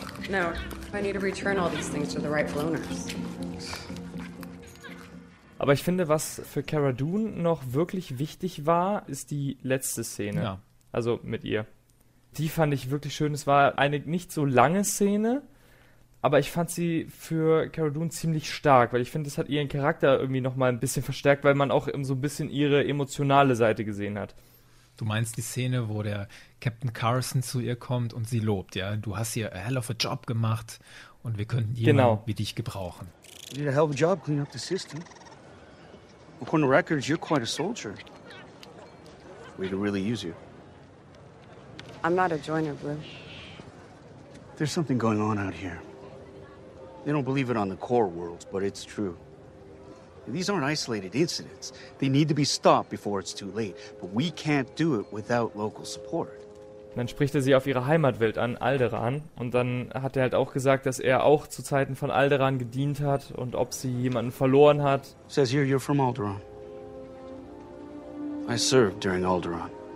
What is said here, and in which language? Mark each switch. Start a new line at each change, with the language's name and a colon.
English: No, I need to return all these things to the rightful owners.
German: Aber ich finde, was für Cara Dune noch wirklich wichtig war, ist die letzte Szene. Ja. Also mit ihr. Die fand ich wirklich schön. Es war eine nicht so lange Szene, aber ich fand sie für Cara Dune ziemlich stark, weil ich finde, das hat ihren Charakter irgendwie nochmal ein bisschen verstärkt, weil man auch so ein bisschen ihre emotionale Seite gesehen hat. Du meinst die Szene, wo der Captain Carson zu ihr kommt und sie lobt, ja? Du hast hier
English: a hell of a job
German: gemacht und wir könnten jemanden genau wie dich gebrauchen.
English: You did a hell of a job cleaning up the system. According to records, you're quite a soldier. We could really use you. I'm not a joiner, Blue. There's something going on out here. They don't believe it on the core worlds, but it's true. These aren't isolated incidents. They need to be stopped before it's too late. But we can't do it without local support.
German: Dann spricht er sie auf ihre Heimatwelt an, Alderaan. Und dann hat er halt auch gesagt, dass er auch zu Zeiten von Alderaan gedient hat und ob sie jemanden verloren hat.
English: Says here you're from Alderaan. I served during Alderaan.